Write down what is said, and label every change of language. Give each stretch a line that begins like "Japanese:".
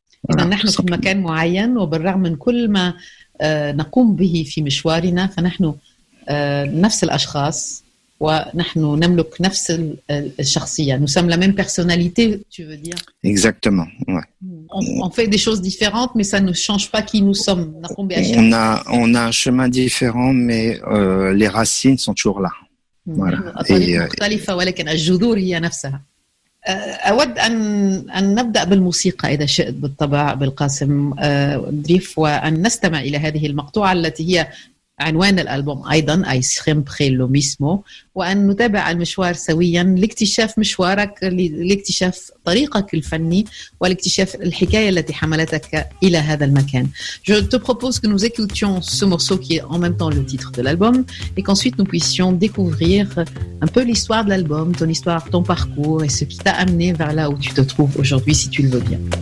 Arabic: Voilà, نحن في مكان معين وبالرغم من كل ما نقوم به في مشوارنا فنحن نفس الأشخاص ونحن نملك نفس الشخصية.
French: Nous sommes la même personnalité, tu veux dire. Exactement, ouais. On fait des choses différentes, mais ça ne change pas qui nous sommes. On a un chemin différent, mais les racines sont toujours là. Voilà.
Arabic: مختلفة ولكن الجذور هي نفسها. أود أن نبدأ بالموسيقى إذا شئت بالطبع بالقاسم دريف وأن نستمع إلى هذه المقطوعة التي هي عنوان الألبوم أيضا أي Siempre lo mismo، وأن نتابع المشوار سويا لاكتشاف مشوارك لاكتشاف طريقك الفني ولاكتشاف الحكاية التي حملتك إلى هذا المكان.
French: Je te propose que nous écoutions ce morceau qui est en même temps le titre de l'album et qu'ensuite nous puissions découvrir un peu l'histoire de l'album, ton histoire, ton parcours et ce qui t'a amené vers là où tu te trouves aujourd'hui si tu le veux bien.